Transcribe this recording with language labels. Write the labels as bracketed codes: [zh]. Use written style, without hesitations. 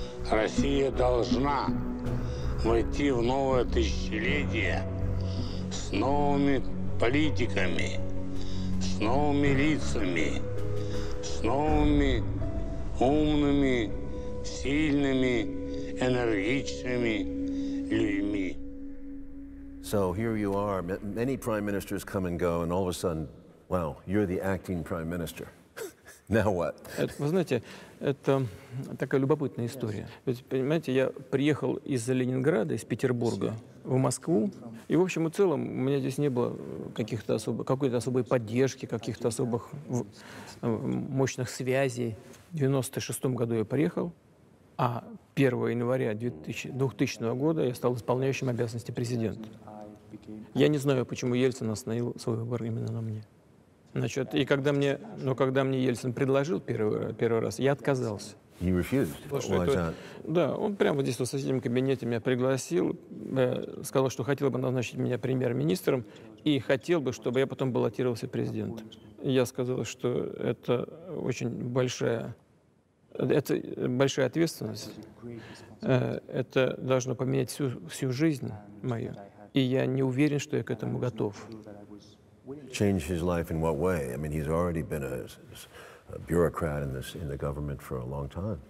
[ru] Россия должна войти в новое тысячелетие с новыми политиками, с новыми лицами, с новыми умными, сильными, энергичными людьми. [en] So here you are. Many prime ministers come and go, and all of a sudden, well, you're the acting prime minister. Now what? [ru] Вы знаете, это такая любопытная история. Ведь, понимаете, я приехал из Ленинграда, из Петербурга в Москву, и в общем и целом у меня здесь не было какой-то особой поддержки, каких-то особых мощных связей. В 96-м году я приехал, а 1 января 2000 года я стал исполняющим обязанности президента. Я не знаю, почему Ельцин остановил свой выбор именно на мне. Значит, и когда мне Ельцин предложил первый раз, я отказался. [en] He refused. [ru] Да, он прямо здесь в соседнем кабинете меня пригласил, сказал, что хотел бы назначить меня премьер-министром и хотел бы, чтобы я потом баллотировался президентом. Я сказал, что это большая ответственность. Это должно поменять всю жизнь мою. И я не уверен, что я к этому готов. [en] Change his life in what way? I mean, he's already been a bureaucrat in the government for a long time.